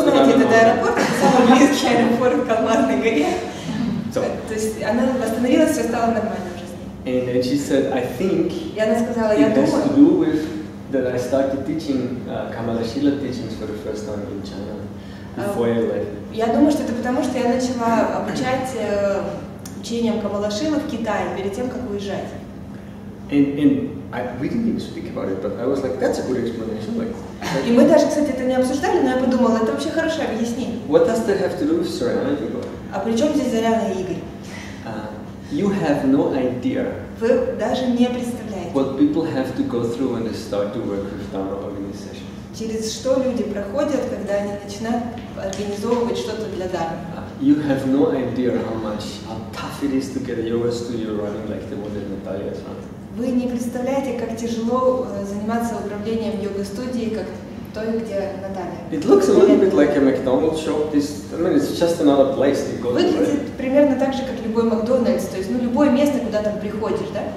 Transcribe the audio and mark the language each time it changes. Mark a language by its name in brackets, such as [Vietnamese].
[Russian] Сколько вы знаете этот аэропорт? Это самый близкий аэропорт к Алмазной горе. То есть она восстановилась, все стало нормально. [English] And then she said, I think it has to do with that I started teaching Kamala Shila teachings for the first time in China before I left. [Russian] Я думаю, что это потому, что я начала обучать учениям Камала Шила в Китае перед тем, как уезжать. [English] And we didn't even speak about it, but I was like, that's a good explanation. [Russian] И мы даже, кстати, это не обсуждали, но я подумала, это вообще хорошее объяснение. [English] What does that have to do with Zarana Igor? [Russian] А при чем здесь Заряна Игорь? [English] You have no idea. [Russian] Вы даже не представляете. [English] What people have to go through when they start to work with Dharma organization. [Russian] Через что люди проходят, когда они начинают организовывать что-то для Дхармы. [English] You have no idea how tough it is to get a yoga studio running like the one that Natalia is running. [Russian] Вы не представляете, как тяжело заниматься управлением йога-студией, как той, где Наталья. [English] It looks a little bit like a McDonald's shop. It's just another place to go. [Russian] Примерно так же, как любой Макдональдс, то есть, ну, любое место, куда ты приходишь, да?